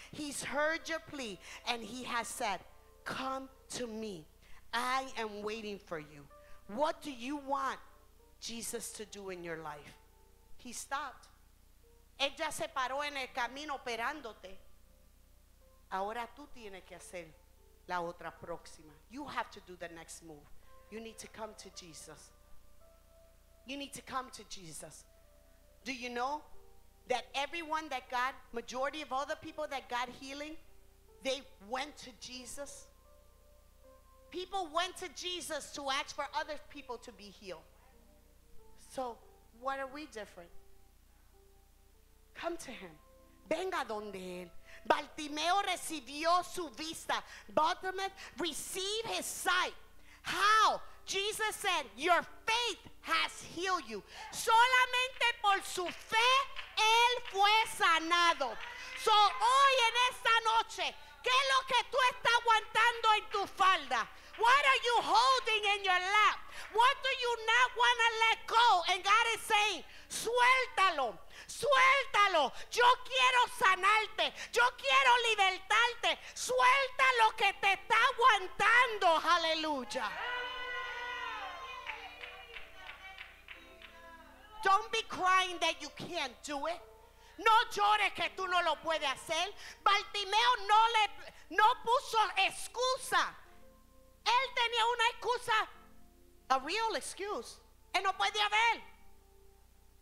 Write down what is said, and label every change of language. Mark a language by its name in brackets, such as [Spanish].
[English] He's heard your plea. And he has said, come to me. I am waiting for you. What do you want Jesus to do in your life? He stopped. [Spanish] Él ya se paró en el camino esperándote. Ahora tú tienes que hacer la otra próxima. [English] You have to do the next move. You need to come to Jesus. You need to come to Jesus. Do you know that everyone that God, majority of all the people that God healing, they went to Jesus? People went to Jesus to ask for other people to be healed. So what are we different? Come to him. [Spanish] Venga donde él. Bartimeo recibió su vista. [English] Bartimeo received his sight. How? Jesus said, your faith has healed you. [Spanish] Solamente por su fe, él fue sanado. So hoy en esta noche, ¿qué es lo que tú estás aguantando en tu falda? [English] What are you holding in your lap? What do you not want to let go? And God is saying, [Spanish] suéltalo, suéltalo. Yo quiero sanarte, yo quiero libertarte. Suelta lo que te está aguantando, hallelujah. [English] Don't be crying that you can't do it. [Spanish] No llores que tú no lo puedes hacer. Bartimeo no puso excusa. Él tenía una excusa, [English] a real excuse. [Spanish] Él no podía ver dónde estaba Jesús. Yo